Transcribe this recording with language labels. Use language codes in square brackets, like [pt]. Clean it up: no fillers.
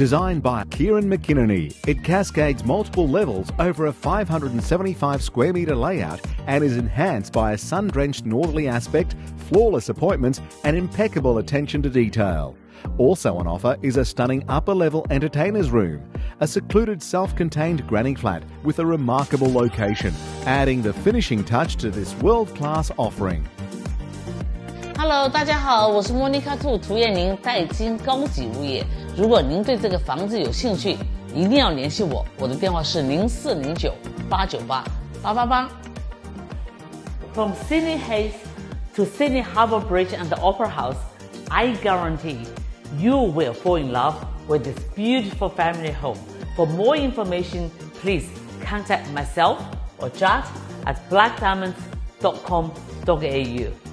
[en] Designed by Kieran McKinney, it cascades multiple levels over a 575 square metre layout and is enhanced by a sun-drenched northerly aspect, flawless appointments and impeccable attention to detail. Also on offer is a stunning upper-level entertainer's room, a secluded self-contained granny flat with a remarkable location, adding the finishing touch to this world-class offering. [zh] Hello, 大家好,我是莫妮卡兔,涂彦宁,在京高级物业。如果您对这个房子有兴趣,一定要联系我,我的电话是 0409-898-888. [en] From Sydney Heights to Sydney Harbour Bridge and the Opera House, I guarantee you will fall in love with this beautiful family home. For more information, please contact myself or Jad at blackdiamonds.com.au.